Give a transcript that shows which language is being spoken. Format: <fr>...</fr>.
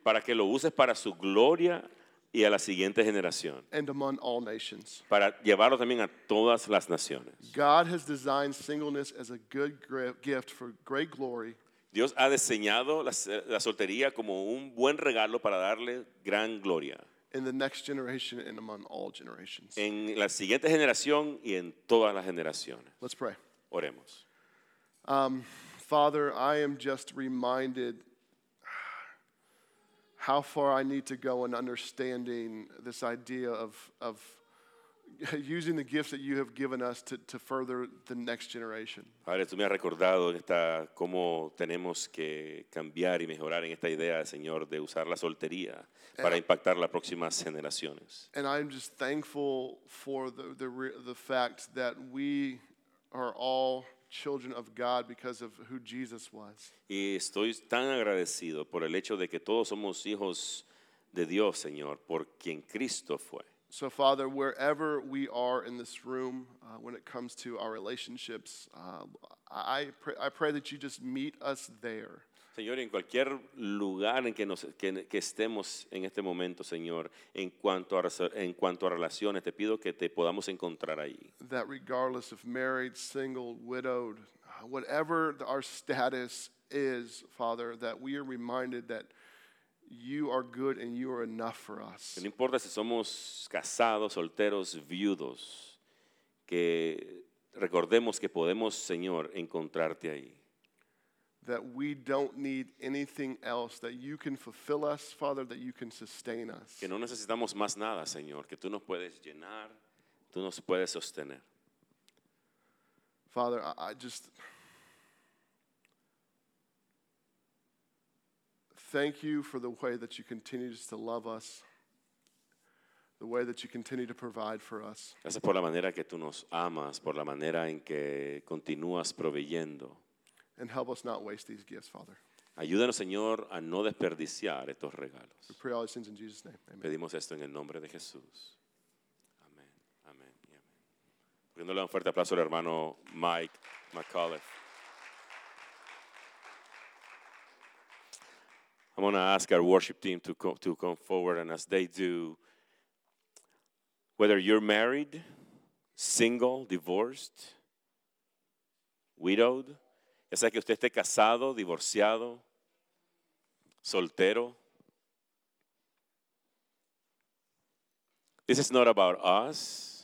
<es>Para que lo uses para su gloria y a la siguiente generación.</es> <en>And among all nations.</en> <es>Para llevarlo también a todas las naciones.</es> <en>God has designed singleness as a good gift for great glory.</en> <es>Dios ha diseñado la soltería como un buen regalo para darle gran gloria.</es> <en>in the next generation and among all generations.</en> <es>En la siguiente generación y en todas las generaciones.</es> <en>Let's pray.</en> <es>Oremos.</es> <en>Father, I am just reminded how far I need to go in understanding this idea of using the gifts that you have given us to further the next generation.</en> <es>Padre, tú me has recordado en esta cómo tenemos que cambiar y mejorar en esta idea, Señor, de usar la soltería para impactar las próximas generaciones.</es> <en>And I'm just thankful for the fact that we are all children of God because of who Jesus was.</en> <es>Y estoy tan agradecido por el hecho de que todos somos hijos de Dios, Señor, por quien Cristo fue.</es> <en>So, Father, wherever we are in this room, when it comes to our relationships, I pray that you just meet us there.</en> <es>Señor, en cualquier lugar en que nos que estemos en este momento, Señor, en cuanto a relaciones, te pido que te podamos encontrar ahí.</es> <en>That regardless of married, single, widowed, whatever our status is, Father, that we are reminded that you are good and you are enough for us.</en> <es>No importa si somos casados, solteros, viudos, que recordemos que podemos, Señor, encontrarte ahí.</es> <en>That we don't need anything else, that you can fulfill us, Father, that you can sustain us.</en> <es>Que no necesitamos más nada, Señor, que tú nos puedes llenar, tú nos puedes sostener.</es> <en>Father, I just thank you for the way that you continue to love us, the way that you continue to provide for us.</en> <es>Gracias por la manera que tú nos amas, por la manera en que continúas proveyendo.</es> <en>And help us not waste these gifts, Father.</en> <es>Ayúdanos, Señor, a no desperdiciar estos regalos.</es> <en>We pray all these things in Jesus' name. Amen.</en> <es>Pedimos esto en el nombre de Jesús. Amén. Amén. Amén. Dándole un fuerte aplauso al hermano Mike McAuliffe.</es> <en>I'm going to ask our worship team to come forward, and as they do, whether you're married, single, divorced, widowed,</en> <es>ya sea que usted esté casado, divorciado, soltero,</es> <en>this is not about us.</en>